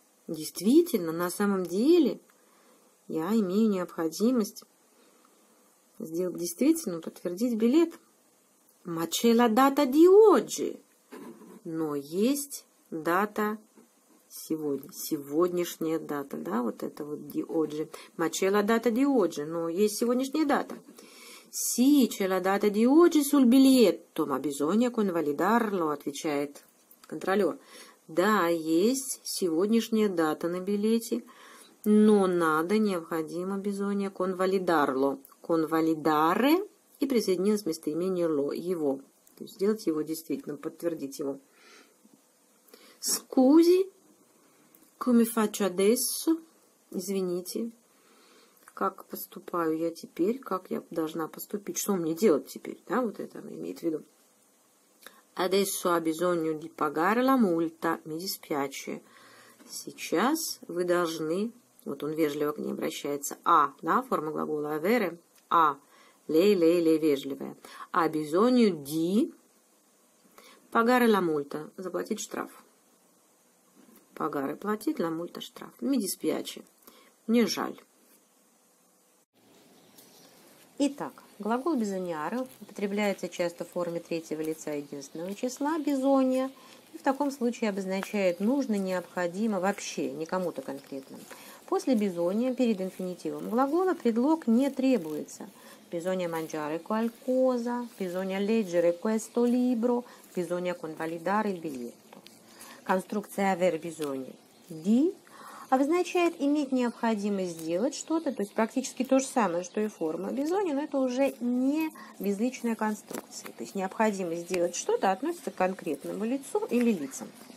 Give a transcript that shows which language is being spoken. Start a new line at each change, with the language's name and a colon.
Russian: «Действительно, на самом деле?» Я имею необходимость сделать действительно, подтвердить билет.
Italian: Ma c'è la data di oggi.
Russian: Но есть дата сегодня. Сегодняшняя дата, да, вот это вот di oggi.
Italian: Ma c'è la data di oggi.
Russian: Но есть сегодняшняя дата.
Italian: Sì, c'è la data di oggi sul biglietto. Ma bisogna convalidarlo,
Russian: отвечает контролер. Да, есть сегодняшняя дата на билете. Но надо, необходимо, бизоне, конвалидарло. Конвалидаре и присоединилось местоимение ло, его. То есть сделать его действительно, подтвердить его.
Italian: Скузи, come faccio adesso?
Russian: Извините, как поступаю я теперь? Как я должна поступить? Что мне делать теперь? Да, вот это она имеет в виду.
Italian: Adesso ho bisogno di pagare la multa. Mi dispiace.
Russian: Сейчас вы должны... Вот он вежливо к ней обращается. А, да, форма глагола avere. А, лей, вежливая.
Italian: А bisogno di pagare la multa.
Russian: Заплатить штраф.
Italian: Pagare, платить, la multa, штраф. Mi dispiace.
Russian: Мне жаль. Итак, глагол bisognare употребляется часто в форме третьего лица единственного числа bisogna. И в таком случае обозначает нужно, необходимо, вообще, не кому-то конкретно. После bisogna, перед инфинитивом глагола, предлог не требуется.
Italian: Bisogna mangiare qualcosa, bisogna leggere questo libro, bisogna convalidare il biglietto.
Russian: Конструкция aver bisogno di обозначает иметь необходимость сделать что-то, то есть практически то же самое, что и форма bisogno, но это уже не безличная конструкция. То есть необходимость сделать что-то относится к конкретному лицу или лицам.